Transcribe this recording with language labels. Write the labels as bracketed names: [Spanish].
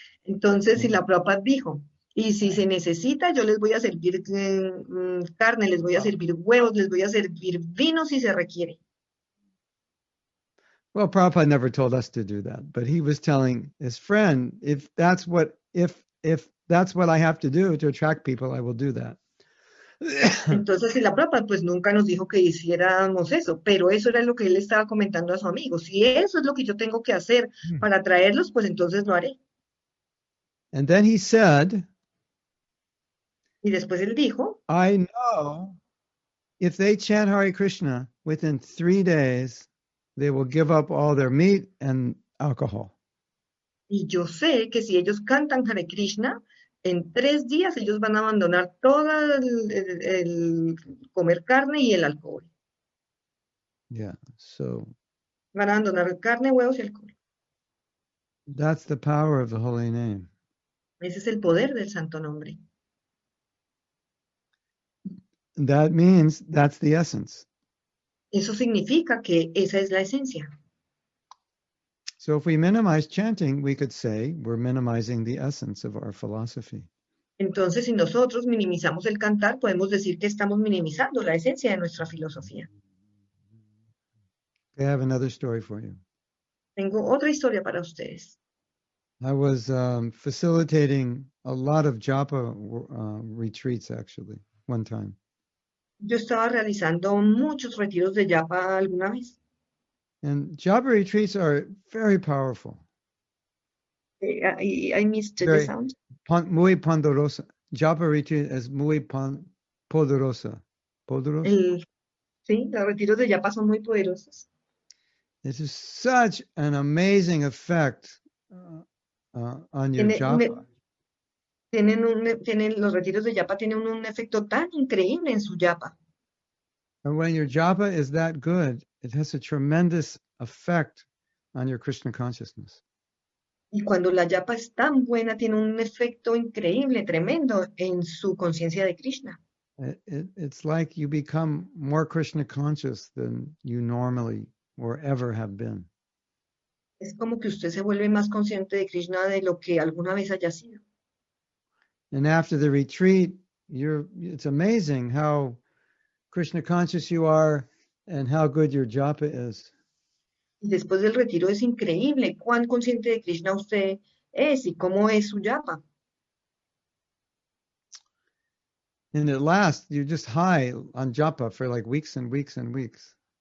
[Spanish] Entonces Srila Prabhupada dijo, y si se necesita, yo les voy a servir carne, les voy a servir huevos, les voy a servir vino si se requiere. [English] Well, Prabhupada never told us to do that, but he was telling his friend, if that's what I have to do to attract people, I will do that. [Spanish] Entonces, si la Prabhupada pues nunca nos dijo que hiciéramos eso, pero eso era lo que él estaba comentando a su amigo. Si eso es lo que yo tengo que hacer para atraerlos, pues entonces lo haré. [English] And then he said, [Spanish] y después él dijo, [English] I know if they chant Hare Krishna within 3 days, they will give up all their meat and alcohol. [Spanish] Y yo sé que si ellos cantan Hare Krishna, en 3 días ellos van a abandonar todo el comer carne y el alcohol. [English] Yeah, so. [Spanish] Van a abandonar carne, huevos y alcohol. [English] That's the power of the holy name. [Spanish] Ese es el poder del santo nombre. [English] That means that's the essence. [Spanish] Eso significa que esa es la esencia. [English] So if we minimize chanting, we could say we're minimizing the essence of our philosophy. [Spanish] Entonces, si nosotros minimizamos el cantar, podemos decir que estamos minimizando la esencia de nuestra filosofía. [English] I have another story for you. [Spanish] Tengo otra historia para ustedes. [English] I was facilitating a lot of japa retreats, actually, one time. [Spanish] Yo estaba realizando muchos retiros de japa alguna vez. [English] And japa retreats are very powerful. I missed very, the sound. [Spanish] Muy poderosa. [English] Japa retreat is [Spanish] muy poderosa. Poderosa? Sí, los retiros de japa son muy poderosos. [English] This is such an amazing effect on your japa. [Spanish] Los retiros de japa tienen un efecto tan increíble en su japa. [English] And when your japa is that good, it has a tremendous effect on your Krishna consciousness. [Spanish] Y cuando la japa es tan buena, tiene un efecto increíble, tremendo en su conciencia de Krishna. [English] It's like you become more Krishna conscious than you normally or ever have been. [Spanish] Es como que usted se vuelve más consciente de Krishna de lo que alguna vez haya sido. [English] And after the retreat, it's amazing how Krishna conscious you are and how good your japa is. [Spanish] Después del retiro es increíble cuán consciente de Krishna usted es y cómo es su japa. [English] And at last, you're just high on japa for like weeks and weeks and weeks.